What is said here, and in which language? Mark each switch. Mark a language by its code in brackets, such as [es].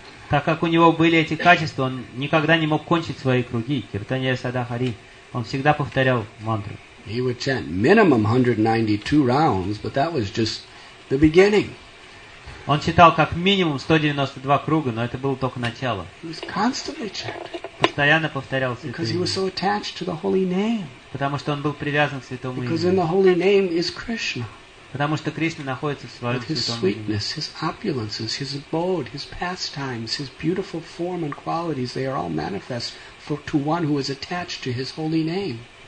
[ru] Так как у него были эти качества, он никогда не мог кончить свои круги. Киртания Садахари. Он всегда повторял мантру. [en] He would chant minimum 192 rounds, but that was just the beginning. [ru] Он читал как минимум 192 круга, но это было только начало. [en] He was constantly chanting. [ru] Постоянно повторял святое имя. [en] Because he was so attached to the holy name. [ru] Потому что он был привязан к святому имени. [en] Because in the holy name is Krishna. [ru] Потому что Кришна находится в своем святом имени. [en] With his sweetness, his opulences, his abode, his pastimes, his beautiful form and qualities, they are all manifest for to one who is attached to his holy name.